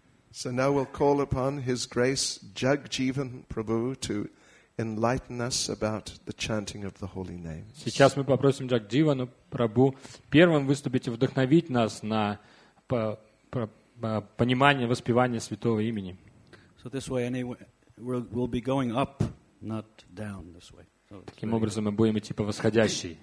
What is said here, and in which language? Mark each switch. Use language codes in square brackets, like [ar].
[en] So now we'll call upon His Grace Jagjivan Prabhu to enlighten us about the chanting of the holy names. [ru] Сейчас мы попросим Джагдивану Прабху первым выступить и вдохновить нас на понимание воспевания святого имени. [en] So this way we'll be going up, not down this way. [ru] Таким образом мы будем идти по восходящей.